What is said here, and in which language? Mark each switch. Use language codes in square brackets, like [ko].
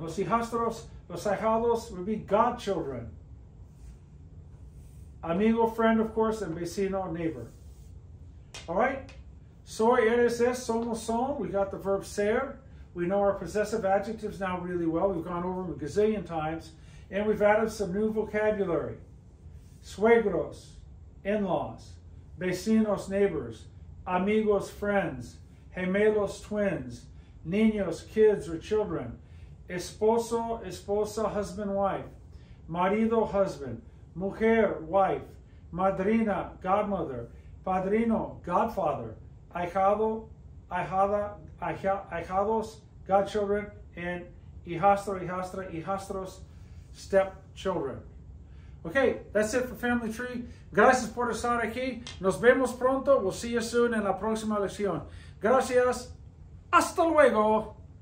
[en] Los hijastros, los ahijados would be godchildren. Amigo, friend, of course, and vecino, neighbor. All right? Soy, eres, es, somos, son. We got the verb ser. We know our possessive adjectives now really well. We've gone over them a gazillion times. And we've added some new vocabulary. Suegros, in-laws. Vecinos, neighbors. Amigos, friends. Gemelos, twins. Niños, kids or children. Esposo, esposa, husband, wife. Marido, husband. Mujer, wife. Madrina, godmother. Padrino, godfather. Ahijado, ahijados, godchildren. And hijastro, hijastra, hijastros, stepchildren. Okay, that's it for Family Tree. [es] Gracias por estar aquí. Nos vemos pronto. [en] We'll see you soon in [es] la próxima lección. Gracias. Hasta luego.